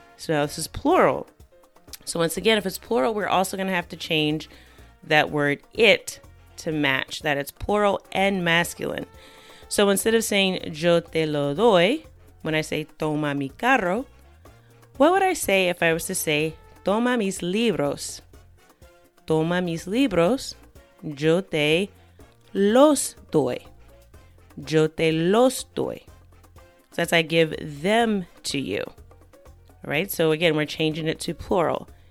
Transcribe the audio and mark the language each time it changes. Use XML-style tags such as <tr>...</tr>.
<en>So now this is plural. So once again, if it's plural, we're also going to have to change that word it to match, that it's plural and masculine. So instead of saying</en> <es>yo te lo doy,</es> <en>when I say</en> <es>toma mi carro,</es> <en>what would I say if I was to say</en> <es>toma mis libros? Toma mis libros, yo te los doy. Yo te los doy.</es> <en>So that's I give them to you. All right, so again, we're changing it to plural.</en>